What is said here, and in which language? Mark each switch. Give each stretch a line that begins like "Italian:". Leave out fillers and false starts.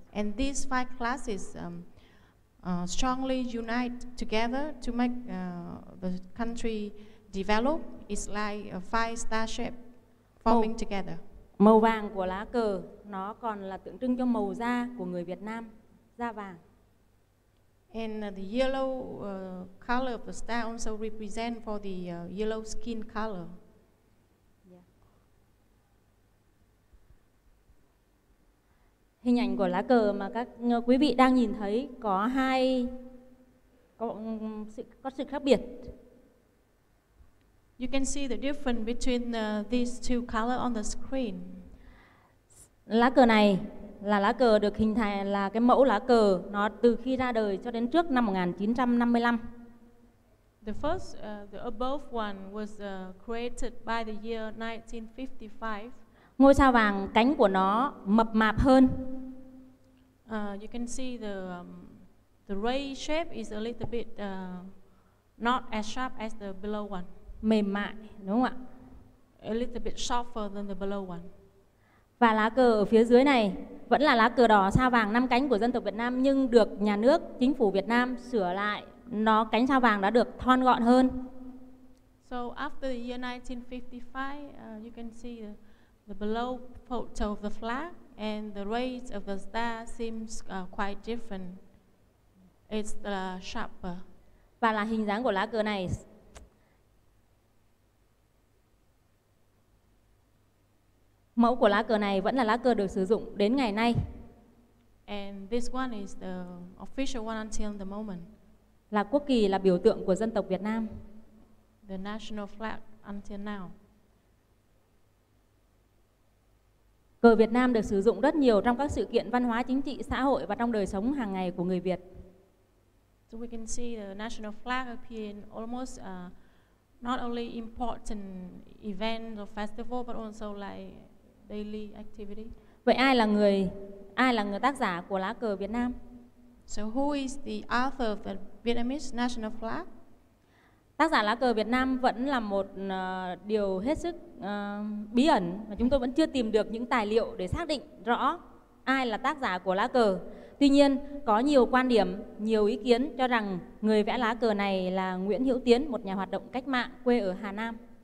English: And these five classes strongly unite together to make the country develop. It's like a five star shape forming together.
Vietnamese: Màu vàng của lá cờ nó còn là tượng trưng cho màu da của người Việt Nam, da vàng.
English: And the yellow color of the star also represent for the yellow skin color.
Vietnamese: Hình ảnh của lá cờ mà các quý vị đang nhìn thấy có hai, có sự khác biệt.
English: You can see the difference between these two colors on the screen.
Vietnamese: Lá cờ này là lá cờ được hình thành, là cái mẫu lá cờ nó từ khi ra đời cho đến trước năm 1955.
English: The first, the above one was created by the year 1955.
Vietnamese: Ngôi sao vàng cánh của nó mập mạp hơn.
English: You can see the ray shape is a little bit not as sharp as the below one.
Vietnamese: Mềm mại đúng không ạ?
English: A little bit softer than the below one.
Vietnamese: Và lá cờ ở phía dưới này vẫn là lá cờ đỏ sao vàng năm cánh của dân tộc Việt Nam, nhưng được nhà nước, chính phủ Việt Nam sửa lại, nó cánh sao vàng đã được thon gọn hơn.
English: So after the year 1955, you can see the below photo of the flag and the rays of the star seems quite different. It's sharper.
Vietnamese: Và là hình dáng của lá cờ này. Mẫu của lá cờ này vẫn là lá cờ được sử dụng đến ngày nay.
English: And this one is the official one until the moment.
Vietnamese: Là quốc kỳ, là biểu tượng của dân tộc Việt Nam.
English: The national flag until now.
Vietnamese: Cờ Việt Nam được sử dụng rất nhiều trong các sự kiện văn hóa, chính trị, xã hội và trong đời sống hàng ngày của người Việt.
English: So we can see the national flag appearing almost not only important events or festival but also like daily activity.
Vietnamese: Vậy ai là người tác giả của lá cờ Việt Nam?
English: So who is the author of the Vietnamese national flag?
Vietnamese: Tác giả lá cờ Việt Nam vẫn là một điều hết sức bí ẩn mà chúng tôi vẫn chưa tìm được những tài liệu để xác định rõ ai là tác giả của lá cờ. Tuy nhiên, có nhiều quan điểm, nhiều ý kiến cho rằng người vẽ lá cờ này là Nguyễn Hữu Tiến, một nhà hoạt động cách mạng quê ở Hà Nam.